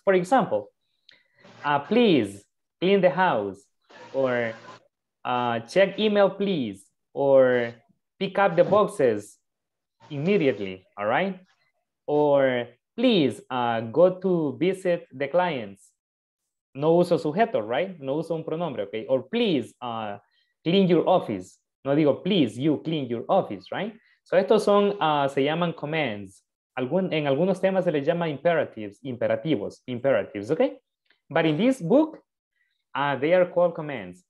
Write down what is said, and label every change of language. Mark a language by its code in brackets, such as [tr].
[en] For example, please clean the house, or check email, please, or pick up the boxes immediately, all right? Or please go to visit the clients. [es] No uso sujeto, right? No uso un pronombre, okay? [en] Or please clean your office. [es] No digo, [en] please, you clean your office, right? [es] So estos son, se llaman commands. En algunos temas se les llama imperativos, okay? [en] But in this book, they are called commands.